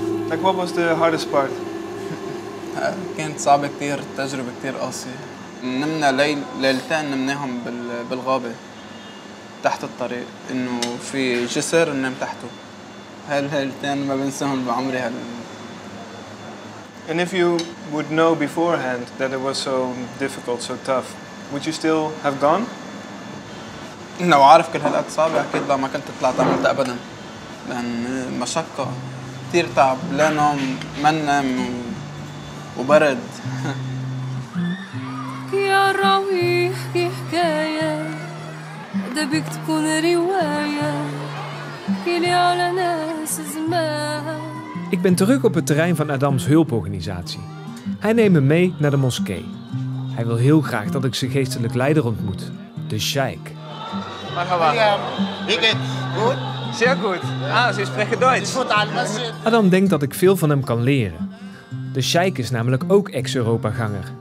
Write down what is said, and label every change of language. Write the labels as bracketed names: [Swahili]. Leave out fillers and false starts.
[English] Like what was the hardest part? [Arabic] كانت صعبة كتير التجربة كتير قاسية نمنا ليلتين نمناهم بالغابة تحت الطريق إنه في جسر ننام تحته هالليلتين ما بنساهم بعمري هال [English] And if you would know beforehand that it was so difficult, so tough, would you still have gone? [Arabic] لو عارف كل هالقد صعبة أكيد لو ما كنت طلعت عملت أبدا لأن مشقة كثير تعب لا نوم ما ننام وبرد يا راوي احكي حكاية دبيك تكون رواية احكي لي على ناس زمان [Dutch] Ik ben terug op het terrein van Adams hulporganisatie. Hij neemt me mee naar de moskee. Hij wil heel graag dat ik zijn geestelijk leider ontmoet, de Sheikh. Wie gaat? Goed? Zeer goed. Ah, ze spreken Duits. Adam denkt dat ik veel van hem kan leren. De Sheikh is namelijk ook ex-Europaganger.